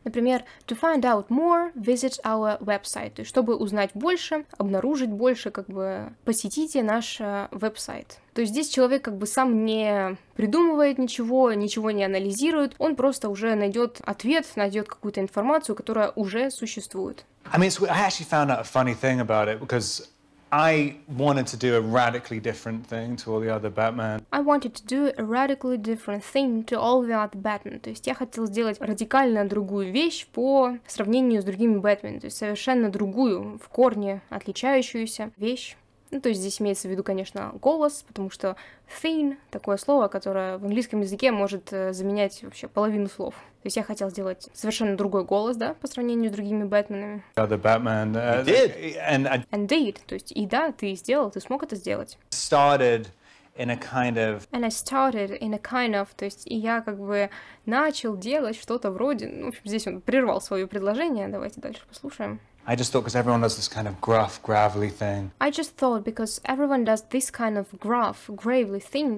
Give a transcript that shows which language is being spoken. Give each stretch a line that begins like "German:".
Russian: Например,
English: to find out more, visit our website.
Russian: То есть, чтобы узнать больше, обнаружить больше, как бы, посетите наш веб-сайт. То есть здесь человек как бы сам не придумывает ничего, ничего не анализирует, он просто уже найдет ответ, найдет какую-то информацию, которая уже существует.
English: I mean, I actually found out a funny thing about it, because I wanted to do a radically different thing to all the other Batman. I wanted to do a radically different thing to all the other Batman.
Russian: То есть я хотел сделать радикально другую вещь по сравнению с другими Batman. То есть совершенно другую, в корне отличающуюся вещь. Ну, то есть здесь имеется в виду, конечно, голос, потому что thing — такое слово, которое в английском языке может заменять вообще половину слов. То есть я хотел сделать совершенно другой голос, да, по сравнению с другими Бэтменами.
English: Other Batman. Did. And did.
Russian: То есть и да, ты сделал, ты смог это сделать.
English: Started in a kind of. And I started in a kind of.
Russian: То есть и я как бы начал делать что-то вроде. Ну, в общем, здесь он прервал свое предложение. Давайте дальше послушаем.
English: I just thought, because everyone does this kind of gruff, gravelly thing. I just thought, because everyone does this kind of gruff, gravelly thing.